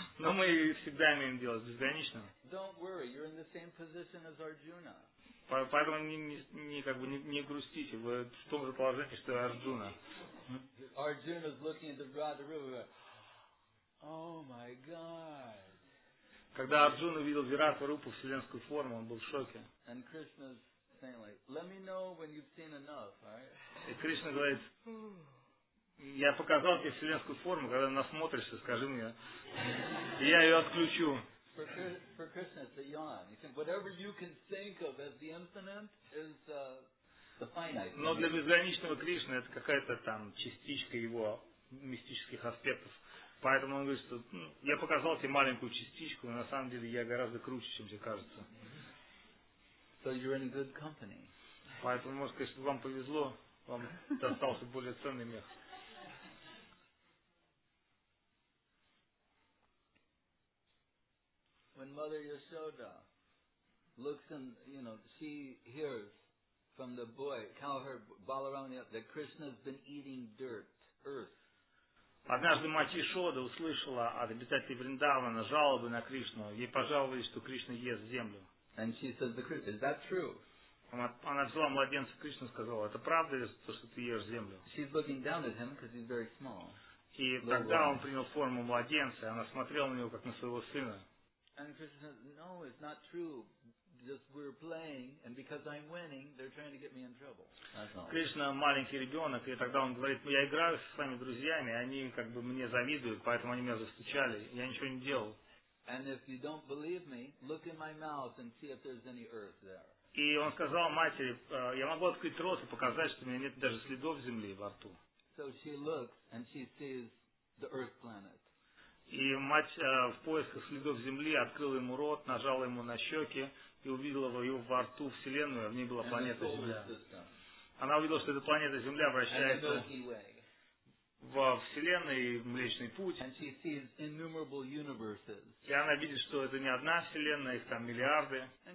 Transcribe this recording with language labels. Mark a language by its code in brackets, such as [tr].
[ru] Но мы всегда имеем дело с безграничным. [en] Don't worry, you're in the same position as Arjuna. [ru] Поэтому не грустите, вы в том же положении, что и Арджуна. [en] Arjuna is looking at the Radharupa. Oh my God. [ru] Когда Арджуна видел Радхарупу в вселенскую форму, он был в шоке. [en] And Krishna's saying like, let me know when you've seen enough, right? [ru] И Кришна говорит, я показал тебе вселенскую форму, когда насмотришься, скажи мне, и я ее отключу. [en] For Krishna, it's a yawn. He said, whatever you can think of as the infinite is the finite. [ru] Но для безграничного Кришны это какая-то там частичка его мистических аспектов. Поэтому он говорит, что я показал тебе маленькую частичку, но на самом деле я гораздо круче, чем тебе кажется. [en] So you're in good company. [ru] Поэтому, может, конечно, вам повезло, вам достался более ценный мех. [en] When Mother Yashoda looks and, you know, she hears from the boy, cowherd Balaram, that Krishna's been eating dirt, earth. [ru] Однажды мать Ишода услышала от обитателей Вриндавана жалобы на Кришну. Ей пожаловались, что Кришна ест землю. [en] And she says, the Krishna, is that true? [ru] Она взяла младенца Кришну и сказала, это правда, то, что ты ешь землю? [en] She's looking down at him because he's very small. [ru] И тогда он принял форму младенца, и она смотрела на него, как на своего сына. [en] And Krishna says, no, it's not true. Just we're playing, and because I'm winning, they're trying to get me in trouble. [ru] Кришна маленький ребенок, и тогда он говорит, я играю со своими друзьями, они как бы мне завидуют, поэтому они меня застучали, я ничего не делал. [en] And if you don't believe me, look in my mouth and see if there's any earth there. [ru] И он сказал матери, я могу открыть рот и показать, что у меня нет даже следов земли во рту. [en] So she looks and she sees the earth planet. [ru] И мать в поисках следов земли открыла ему рот, нажала ему на щеки и увидела его во рту Вселенную, а в ней была планета Земля. Она увидела, что эта планета Земля вращается во Вселенной, Млечный Путь. И она видит, что это не одна Вселенная, их там миллиарды.